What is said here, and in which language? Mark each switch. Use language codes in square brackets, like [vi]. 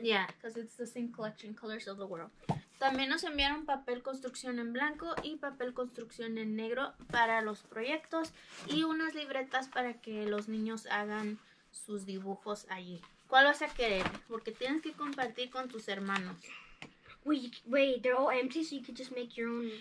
[en] Yeah, because it's the same collection, Colors of the World. [es] También nos enviaron papel construcción en blanco y papel construcción en negro para los proyectos. Y unas libretas para que los niños hagan sus dibujos allí. ¿Cuál vas a querer? Porque tienes que compartir con tus hermanos. [en] Wait, they're all empty, so you could just make your own.